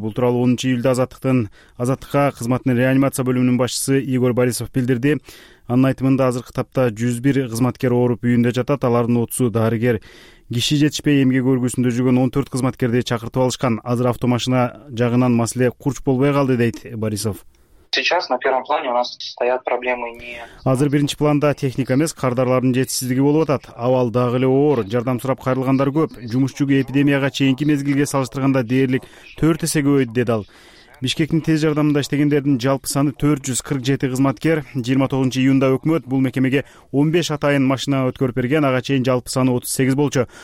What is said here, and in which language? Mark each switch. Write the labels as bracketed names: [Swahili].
[Kyrgyz] Бул тууралуу 10-июлда Азаттыкка кызматтын реанимация бөлүмүнүн башчысы Игорь Борисов билдирди. Анын айтымында азыркы тапта 101 кызматкер ооруп үйүндө жатат, алардын 30 дарыгер. Киши жетишпей эмгек өргүсүндө жүргөн 14 кызматкерди чакыртып алышкан. Азыр автомашина жагынан маселе курч болбой калды, дейт Борисов. [Russian] Сейчас на первом плане у нас стоят проблемы не... [Kyrgyz] Азыр биринчи планда техника эмес, кардарлардын жетишсиздиги болуп атат. Абал дагы эле оор, жардам сурап кайрылгандар көп. Жумуш жүгү эпидемияга чейинки мезгилге салыштырганда дээрлик 4 эсе көбөйдү, деди ал. Бишкектин тез жардамында иштегендердин жалпы саны 447 кызматкер. 29-июнда өкмөт бул мекемеге 15 атайын машина өткөрүп берген, ага чейин жалпы саны 38 болчу.